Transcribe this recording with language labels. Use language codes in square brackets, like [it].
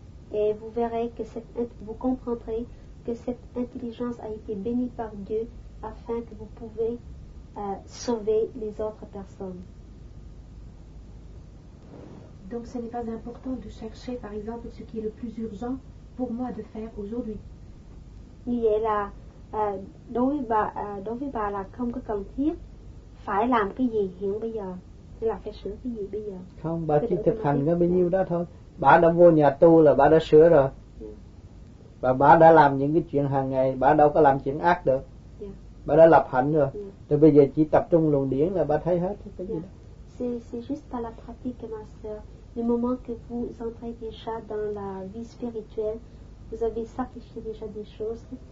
[fr] Et vous verrez que cette, vous comprendrez que cette intelligence a été bénie par Dieu afin que vous pouvez sauver les autres personnes. Donc ce n'est pas important de chercher par exemple ce qui est le plus urgent pour moi de faire aujourd'hui. [vi] Vì vậy là đối với bà là không có cần thiết phải làm cái gì hiện bây giờ, tức là phải sửa cái gì bây giờ. Không, bà chỉ thực hành có bao nhiêu đó thôi. Bà đã vô nhà tu là bà đã sửa rồi. Và bà đã làm những cái chuyện hàng ngày, bà đâu có làm chuyện ác được. Bà đã lập hạnh rồi. Thì bây giờ chỉ tập trung luồng điển là bà thấy hết cái gì đó. [fr] C'est juste à la pratique, ma sœur. Le moment que vous entrez déjà dans la vie spirituelle, vous avez sacrifié déjà des choses.